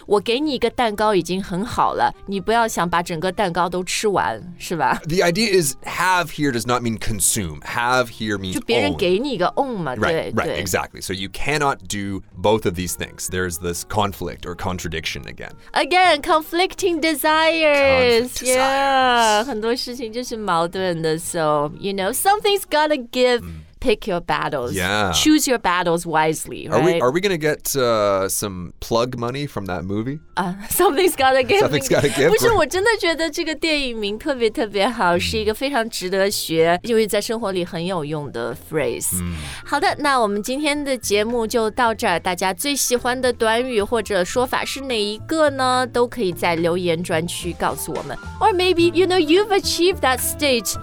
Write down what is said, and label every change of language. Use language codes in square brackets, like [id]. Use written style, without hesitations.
[zh] 我给你一个蛋糕已经很好了，你不要想把整个蛋糕都吃完，是吧？ [en] The idea is have here does not mean consume. Have here means [zh] 就别人给你一个 own 嘛，对 [en] right, [zh] 对。 [en] Right, exactly. So you cannot do both of these things. There's this conflict or contradiction again. Again, conflicting desires. Yeah, [zh] 很多事情就是矛盾的。 [en] So, you know, something's gotta give.、Mm. Pick your battles. Yeah. Choose your battles wisely, right? Are we going to get、some plug money from that movie? Something's got to give. Something's got to give. [zh] 不是，我真的觉得这个电影名特别特别好、是一个非常值得学，因为在生活里很有用的 phrase.、好的，那我们今天的节目就到这儿。大家最喜欢的短语或者说法是哪一个呢？都可以在留言专区告诉我们。 [en] Or maybe, you know, you've achieved that stage.